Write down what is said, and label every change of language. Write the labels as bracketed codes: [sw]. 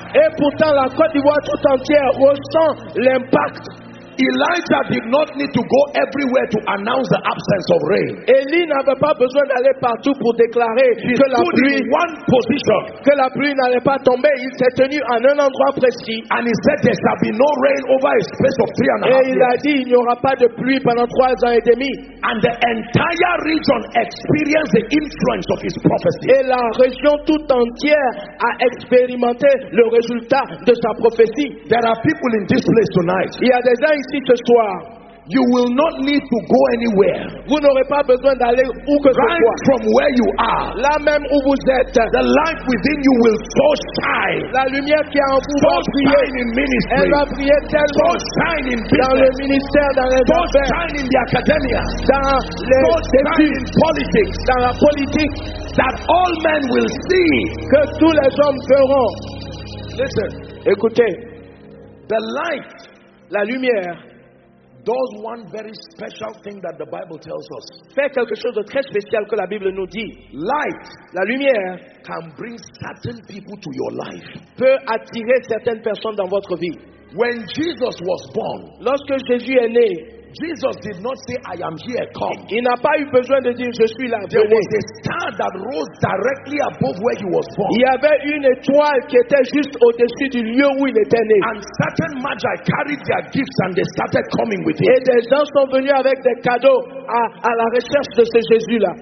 [fr] Et pourtant, la Côte d'Ivoire tout entière ressent l'impact. [en] Elijah did not need to go everywhere to announce the absence of rain. [fr] Élie n'avait pas besoin d'aller partout pour déclarer que la pluie, [en] one position, [fr] que la pluie n'allait pas tomber. Il s'est tenu en un endroit précis. [en] And he said there shall be no rain over a space of 3.5 years. [fr] Et il a dit il n'y aura pas de pluie pendant 3 ans et demi. [en] And the entire region experienced the influence of his prophecy. [fr] Et la région tout entière a expérimenté le résultat de sa prophétie. [en] There are people in this place tonight. [fr] Il y a des gens ici ce soir. [en] You will not need to go anywhere. [fr] Vous n'aurez pas besoin d'aller où que [en] right [fr] ce soit. [en] From where you are, [fr] là même où vous êtes, [en] the light within you will so shine. [fr] La lumière qui est en vous [en] so shine [fr] va briller tellement. [en] So shine in business. [fr] Dans le ministère, dans les [en] so affaires. Shine in the academia. [fr] Dans les [en] so shine [fr] études, [en] in politics. [fr] Dans la politique. [en] That all men will see. [fr] Que tous les hommes verront. [en] Listen. [fr] Écoutez. [en] The light. [fr] La lumière [en] does one very special thing that the Bible tells us. [fr] Fait quelque chose de très spécial que la Bible nous dit. [en] Light, [fr] la lumière, [en] can bring certain people to your life. [fr] Peut attirer certaines personnes dans votre vie. [en] When Jesus was born, [fr] lorsque Jésus est né, [en] Jesus did not say, "I am here, come." [fr] Il n'a pas eu besoin de dire, "Je suis là, venez." [en] There was a star that rose directly above where he was born. [fr] Il y avait une étoile qui était juste au-dessus du lieu où il était né. [en] And certain magi carried their gifts and they started coming with him. [fr] Et des gens sont venus avec des cadeaux à la recherche de ce Jésus-là.